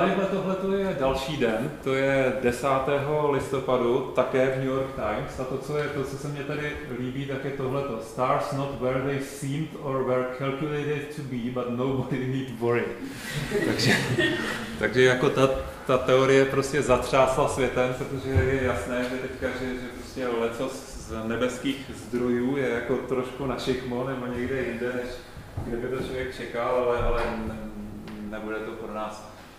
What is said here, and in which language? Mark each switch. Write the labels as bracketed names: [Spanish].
[Czech] Tohleto je další den, to je 10. listopadu, také v New York Times. A to, co se mně tady líbí, tak je tohleto. [English] Stars not where they seemed or were calculated to be, but nobody need worry. [Czech] Takže jako ta teorie prostě zatřásla světem, protože je jasné, že teďka, že prostě lecos z nebeských zdrojů je jako trošku na šikmo, nebo někde jinde, než kdyby to člověk čekal, ale nebude to pro nás.